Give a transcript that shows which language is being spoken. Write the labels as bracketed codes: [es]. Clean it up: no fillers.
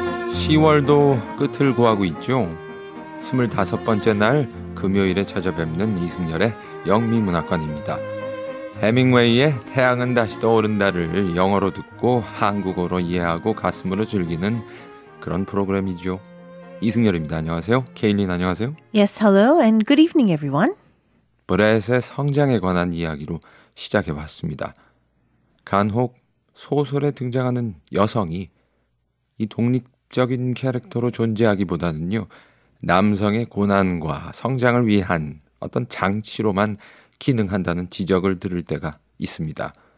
[ko] 10월도 끝을 구하고 있죠. 25번째 날 금요일에 찾아뵙는 이승열의 영미문학관입니다. 헤밍웨이의 태양은 다시 떠오른다를 영어로 듣고 한국어로 이해하고 가슴으로 즐기는 그런 프로그램이죠. 이승열입니다. 안녕하세요. 케일린 안녕하세요. [en] Yes, hello and good evening everyone. [ko] 브렛의 성장에 관한 이야기로 시작해봤습니다. 간혹 소설에 등장하는 여성이 이 독립 적인 캐릭터로 존재하기보다는요, 남성의 고난과 성장을 위한 어떤 장치로만 기능한다는 지적을 들을 때가 있습니다.